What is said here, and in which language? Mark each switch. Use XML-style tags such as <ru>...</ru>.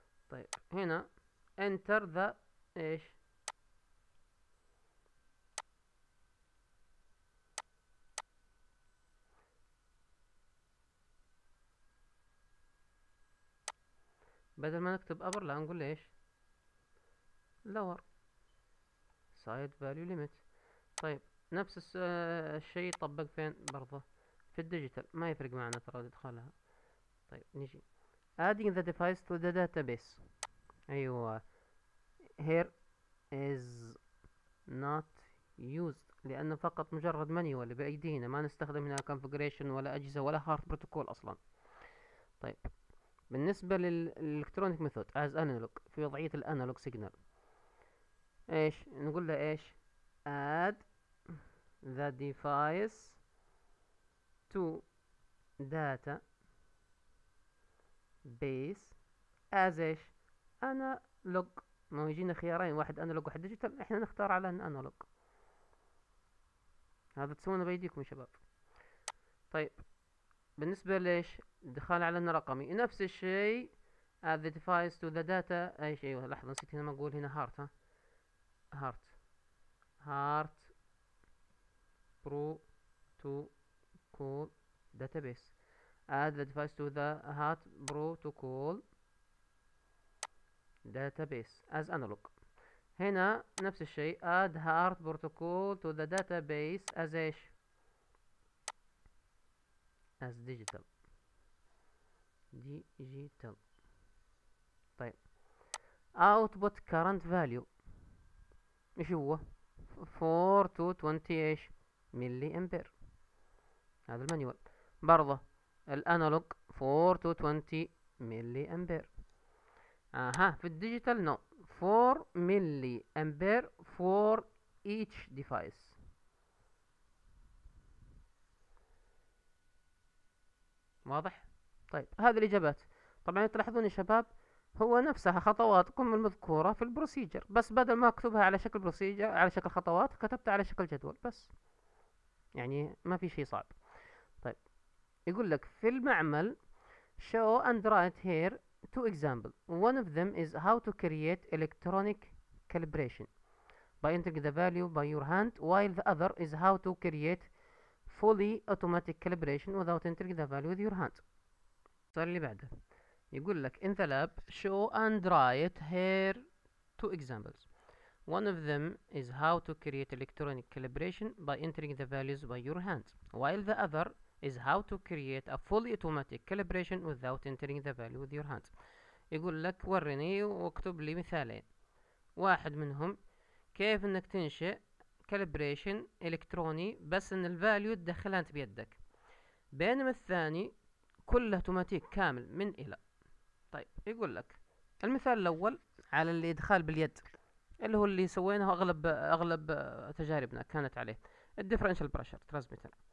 <ar>طيب هنا</ar> <en>enter the</en> <ar>ايش؟ بدل ما نكتب upper لا نقول ايش؟</ar> <en>lower side value limit.</en> <ar>طيب نفس الشيء طبق فين برضه؟ في الديجيتال ما يفرق معنا ترى ادخلها. طيب نجي</ar> <en>adding the device to the database.</en> <ar>ايوه</ar> <en>here is not used</en> <ar>لانه فقط مجرد manual بايدينا، ما نستخدم هنا configuration ولا اجهزة ولا hard protocol اصلا. طيب بالنسبة للالكترونيك ميثود as analog في وضعية الانالوج سيجنال ايش نقول له؟ ايش</ar> <en>add the device to data base as</en> <ar>ايش analog. ما يجينا خيارين، واحد analog واحد digital، احنا نختار على analog. هذا تسوونه بايديكم يا شباب. طيب بالنسبة ليش دخال على رقمي نفس الشيء</ar> <en>add the device to the data.</en> <ar>أي شيء لحظة نسيت هنا ما أقول هنا</ar> <en>heart ها heart heart pro to call database add the device to the heart pro to call database as analog.</en> <ar>هنا نفس الشيء</ar> <en>add heart protocol to the database as ايش as digital digital. طيب output current value ايش هو 4 to 20 ايش ملي امبير.</en> <ar>هذا المانيوال برضه الانالوج</ar> <en>4 to 20</en> <ar>ملي امبير. اها في الديجيتال نو 4 ملي امبير فور ايتش ديفايس. واضح؟ طيب هذه الاجابات. طبعا تلاحظون يا شباب هو نفسها خطواتكم المذكوره في البروسيجر، بس بدل ما اكتبها على شكل بروسيجر على شكل خطوات كتبتها على شكل جدول بس، يعني ما في شيء صعب. طيب يقول لك في المعمل</ar> <en>show and write here two examples. One of them is how to create electronic calibration by entering the value by your hand, while the other is how to create fully automatic calibration without entering the value with your hand.</en> <ar>السؤال اللي بعده يقول لك</ar> <en>in the lab show and write here two examples. One of them is how to create electronic calibration by entering the values by your hand, while the other is how to create a fully automatic calibration without entering the value with your hand.</en> <ar>يقول لك ورني واكتب لي مثالين. واحد منهم كيف انك تنشئ calibration الكتروني بس ان الفاليو تدخلها انت بيدك، بينما الثاني كله اوتوماتيك كامل من الى. طيب يقول لك المثال الاول على الادخال باليد اللي هو اللي سويناه اغلب تجاربنا كانت عليه الديفرنشال بريشر ترانسميتر.</ar>